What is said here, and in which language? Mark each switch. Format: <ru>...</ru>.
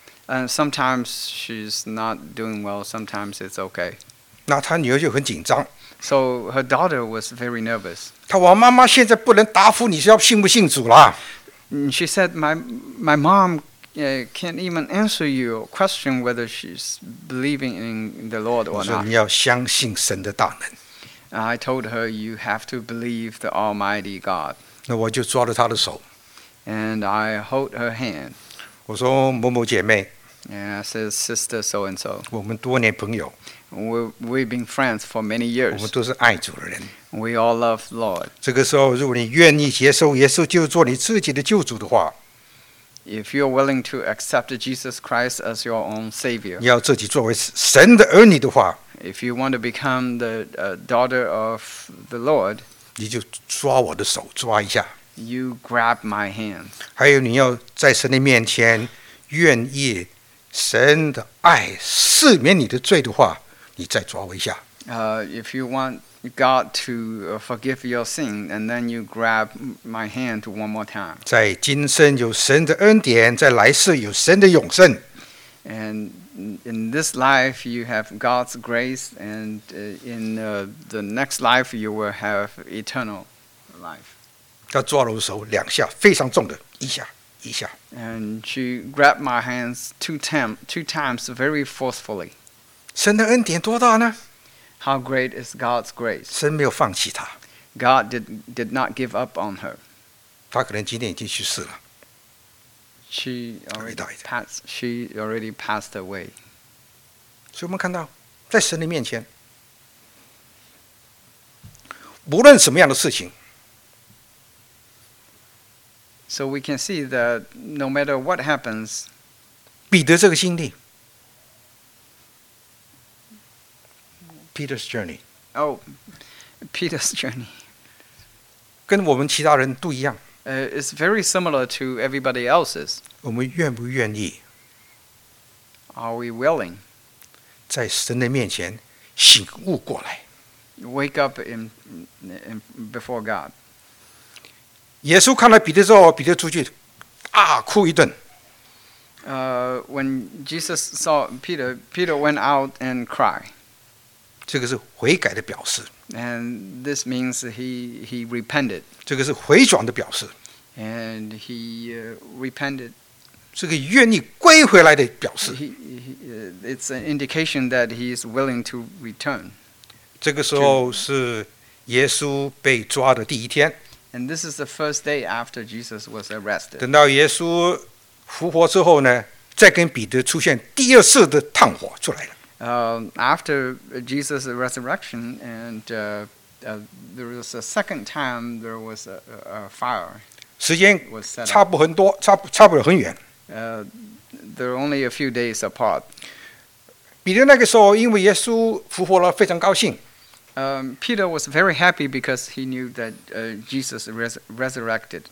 <en>And sometimes she's not doing well, sometimes it's okay.</en> <zh>那她女儿就很紧张。</zh> <en>So her daughter was very nervous.</en> <zh>她说妈妈现在不能答复你是要信不信主了。</zh> <en>She said my mom can't even answer your question whether she's believing in the Lord or not.</en> <zh>我说你要相信神的大能。</zh> <en>I told her you have to believe the Almighty God.</en> <zh>那我就抓着她的手。</zh> <en>And I hold her hand.</en> <zh>我说某某姐妹。</zh> <en>And I said sister so and so.</en> <zh>我们多年朋友。</zh> <en>We've been friends for many years.</en> <zh>我们都是爱主的人。</zh> <en>We all love the Lord.</en> <zh>这个时候，如果你愿意接受耶稣就做你自己的救主的话。</zh> <en>If you're willing to accept Jesus Christ as your own Savior,</en> <zh>你要自己作为神的儿女的话，</zh> <en>if you want to become the daughter of the Lord,</en> <zh>你就抓我的手，抓一下。</zh> <en>You grab my hands.</en> <zh>还有你要在神的面前愿意神的爱赦免你的罪的话，你再抓我一下。</zh> <en>If you want God to forgive your sin, and then you grab my hand one more time.</en> <zh>在今生有神的恩典，在来世有神的永生。</zh> <en>And in this life you have God's grace, and in the next life you will have eternal life.</en> <zh>他抓了我手两下，非常重的，一下一下。</zh> <en>And she grabbed my hands two times very forcefully.</en> <zh>神的恩典多大呢？</zh> <en>How great is God's grace?</en> <zh>神没有放弃她。</zh> <en>God did not give up on her.</en> <zh>她可能今天已经去世了。</zh> <en>She already passed away.</en> <zh>所以我们看到，在神的面前，无论什么样的事情。</zh> <en>So we can see that no matter what happens,</en> <zh>彼得这个经历。</zh> <en>Peter's journey. Oh, Peter's journey.</en> <zh>跟我们其他人都一样。</zh> <en>It's very similar to everybody else's.</en> <zh>我们愿不愿意</zh> <en>？Are we willing?</en> <zh>在神的面前醒悟过来。</zh> <en>Wake up in before God.</en> <zh>耶稣看了彼得之后，彼得出去啊哭一顿。</zh> <en>When Jesus saw Peter went out and cried.</en> <zh>这个是悔改的表示。</zh> <en>And this means he repented.</en> <zh>这个是回转的表示。</zh> <en>And he repented.</en> <zh>这个愿意归回来的表示。</zh> <en>It's an indication that he is willing to return.</en> <zh>这个时候是耶稣被抓的第一天。</zh> <en>And this is the first day after Jesus was arrested.</en> <zh>等到耶稣复活之后呢，再跟彼得出现第二次的探火出来了。</zh> <en>After Jesus' resurrection, and there was a second time there was a fire.</en> <zh>时间差不很多，差不了很远。</zh> <en>They're only a few days apart.</en> <zh>彼得那个时候因为耶稣复活了，非常高兴。</zh> <en>Peter was very happy because he knew that Jesus resurrected.</en>